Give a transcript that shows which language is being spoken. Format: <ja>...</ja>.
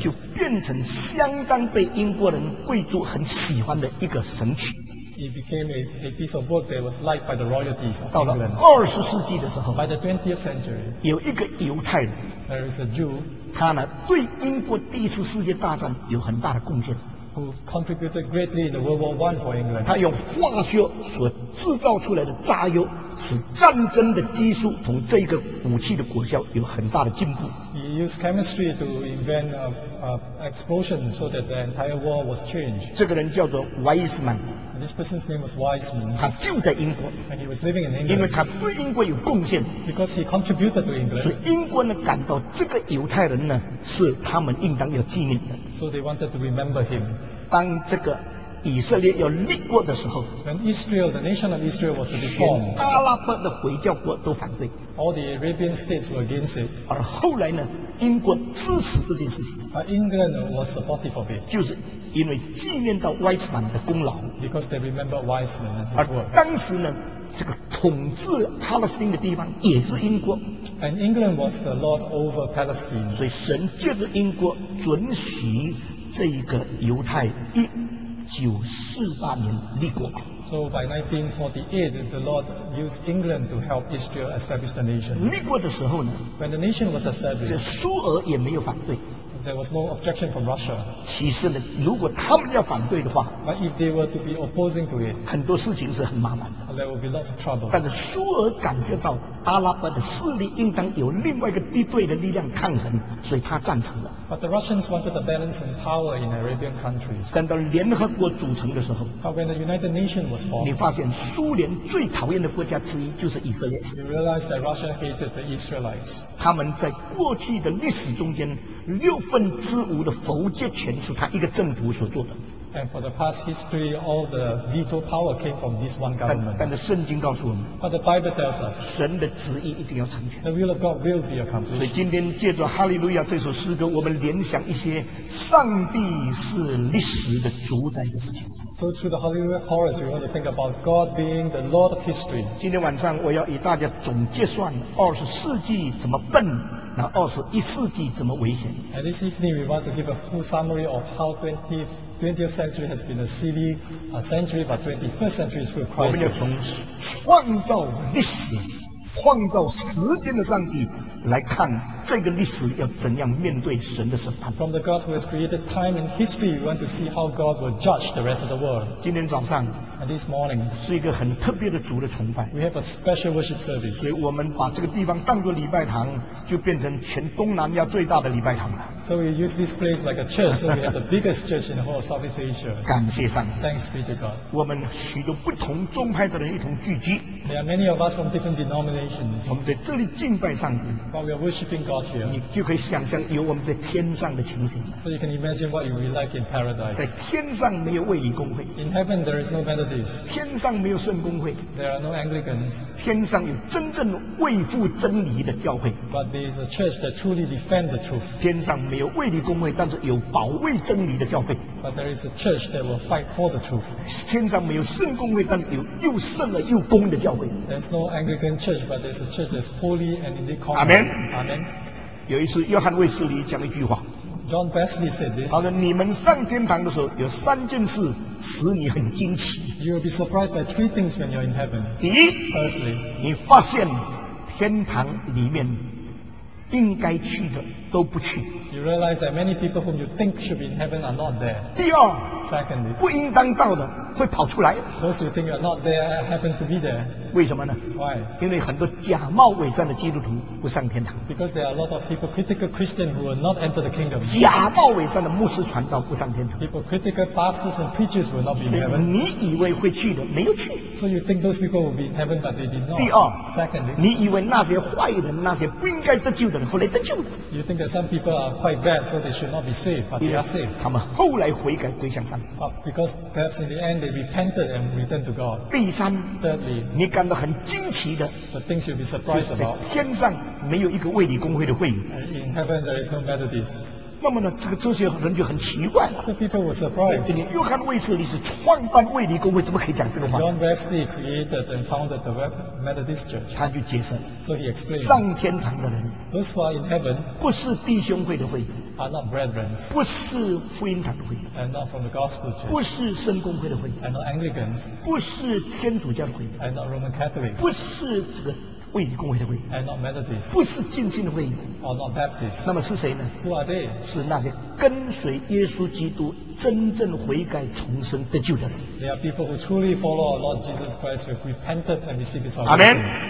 <zh>就变成相当被英国人贵族很喜欢的一个神曲。</zh> <en>It became a piece of work that was liked by the royalties.</en> <zh>到了二十世纪的时候</zh> <en>，by the 20th century,</en> <zh>有一个犹太人</zh> <en>，there is a Jew,</en> <zh>他呢对英国第一次世界大战有很大的贡献。</zh> <en>Who contributed greatly in the World War One for England?</en> <zh>他用化学所制造出来的炸药，使战争的技术从这个武器的果效有很大的进步。</zh> <en>He used chemistry to invent a explosion so that the entire war was changed.</en> <zh>这个人叫做 Wiseman.</zh> <en>This person's name was Wiseman.</en> <zh>他就在英国。</zh> <en>And he was living in England.</en> <zh>因为他对英国有贡献。</zh> <en>Because he contributed to England.</en> <zh>所以英国呢感到这个犹太人呢是他们应当要纪念的。</zh> <en>So they wanted to remember him.</en> <zh>当这个以色列要立国的时候</zh> <en>，When Israel, the nation of Israel was to be formed,</en> <zh>阿拉伯的回教国都反对。</zh> <en>All the Arabian states were against it.</en> <zh>而后来呢，英国支持这件事情。</zh> <en>But England was supportive of it.</en> <zh>就是因为纪念到 Wiseman 的功劳。</zh> <en>Because they remember Wiseman and his work.</en> <zh>而当时呢，这个统治哈勒斯丁的地方也是英国。</zh> <en>And England was the lord over Palestine.</en> <zh>所以神借着英国准许这一个犹太一。 1948年立国。</zh> <en>So by 1948, the Lord used England to help Israel establish the nation.</en> <zh>立国的时候呢</zh> <en>，When the nation was established,</en> <zh>苏俄也没有反对。</zh> <en>There was no objection from Russia.</en> <zh>其实呢，如果他们要反对的话</zh> <en>，But if they were to be opposing to it,</en> <zh>很多事情是很麻烦的。</zh> <en>There will be lots of trouble.</en> <zh>但是苏俄感觉到阿拉伯的势力应当有另外一个敌对的力量抗衡，所以他赞成了。</zh> <en>But the Russians wanted a balance in power in Arabian countries.</en> <zh>等到联合国组成的时候</zh> <en>，But when the United Nations was formed,</en> <zh>你发现苏联最讨厌的国家之一就是以色列。</zh> <en>You realize that Russia hated the Israelites.</en> <zh>他们在过去的历史中间。1/6的否决权是他一个政府所做的。</zh> <en>And for the past history, all the veto power came from this one government.</en> <zh>但是圣经告诉我们</zh> <en>，But the Bible tells us,</en> <zh>神的旨意一定要成全。</zh> <en>The will of God will be accomplished.</en> <zh>所以今天借着《哈利路亚》这首诗歌，我们联想一些上帝是历史的主宰的事情。</zh> <en>So through the Hallelujah chorus, we want to think about God being the Lord of history.</en> <zh>今天晚上我要与大家总结算20世纪怎么笨。那21世纪怎么危险</zh> <en>？And this evening we want to give a full summary of how 20th century has been a silly century, but 21st century is full of crisis.</en> <zh>我们要从创造历史、创造时间的上帝来看这个历史要怎样面对神的审判。</zh> <en>From the God who has created time and history, we want to see how God will judge the rest of the world.</en> <zh>今天早上</zh> <en>And this morning,</en> <zh>是一个很特别的主的崇拜。</zh> <en>We have a special worship service.</en> <zh>所以我们把这个地方当作礼拜堂，就变成全东南亚最大的礼拜堂了。</zh> <en>So we use this place like a church, so we have the biggest church in the whole Southeast Asia.</en> <zh>感谢上帝。</zh> <en>Thanks be to God.</en> <zh>我们许多不同宗派的人一同聚集。</zh> <en>There are many of us from different denominations.</en> <zh>我们在这里敬拜上帝。</zh> <en>But we are worshiping God here.</en> <zh>你就可以想象有我们在天上的情形。</zh> <en>So you can imagine what you will be like in paradise.</en> <zh>在天上没有卫理公会。</zh> <en>In heaven there is no Methodist.</en> <zh>天上没有圣公会，</zh> <en>there are no Anglicans,</en> <zh>天上有真正为父真理的教会，</zh> <en>but there is a church that truly defend the truth.</en> <zh>天上没有卫理公会，但是有保卫真理的教会，</zh> <en>but there is a church that will fight for the truth.</en> <zh>天上没有圣公会，但有又圣了又公的教会。</zh> <en>There is no Anglican church, but there is a church that is holy and indeed common. Amen. Amen.</en> <zh>有一次约翰卫斯理讲一句话，</zh> <en>John Wesley said this.</en> <zh>好的，你们上天堂的时候，有三件事使你很惊奇。</zh> <en>You will be surprised by three things when you're in heaven.</en> <zh>第一</zh> <en>，Firstly，</en> <zh>你发现天堂里面应该去的都不去。</zh> <en>You realize that many people whom you think should be in heaven are not there.</en> <zh>第二</zh> <en>，Secondly，</en> <zh>不应当到的会跑出来。</zh> <en>Those who think you're not there happens to be there.</en> <zh>为什么呢</zh> <en>？Why？</en> <zh>因为很多假冒伪善的基督徒不上天堂。</zh> <en>Because there are a lot of hypocritical Christians who will not enter the kingdom.</en> <zh>假冒伪善的牧师传道不上天堂。</zh> <en>Hypocritical pastors and preachers will not be in heaven.</en> <zh>你以为会去的没有去。</zh> <en>So you think those people will be in heaven, but they did not.</en> <zh>第二</zh> <en>，Secondly，</en> <zh>你以为那些坏人、那些不应该得救的人后来得救的。</zh> <en>You think that some people are quite bad, so they should not be saved, but they are saved.</en> <zh>他们后来悔改归向上帝。</zh> <en>But because perhaps in the end they repented and returned to God.</en> <zh>第三</zh> <en>，Thirdly，</en> <zh>你感到很惊奇的。</zh> <en>The things you'll be surprised about.</en> <zh>天上没有一个卫理公会的会员。</zh> <en>In heaven there is no Methodist.</en> <zh>那么呢，这些人就很奇怪了。</zh> <en>So people were surprised.</en> <zh>约翰卫斯理是创办卫理公会，怎么可以讲这个话</zh> <en>？John Wesley created and founded the Methodist Church.</en> <zh>他就解释。</zh> <en>So he explained.</en> <zh>上天堂的人</zh> <en>，Those who are in heaven，</en> <zh>不是弟兄会的会员</zh> <en>，are not brethren，</en> <zh>不是福音堂的会员</zh> <en>，and not from the Gospel Church，</en> <zh>不是圣公会的会员</zh> <en>，and not Anglicans，</en> <zh>不是天主教的会员</zh> <en>，and not Roman Catholics，</en> <zh>不是这个。卫理公会的会员</zh> <en>，and not Methodists，</en> <zh>不是浸信的会员</zh> <en>，or not Baptists。</en> <zh>那么是谁呢</zh> <en>？Who are they？</en> <zh>是那些跟随耶稣基督真正悔改重生得救的人。</zh> <en>They are people who truly follow our Lord Jesus Christ, who repented and received salvation.</en>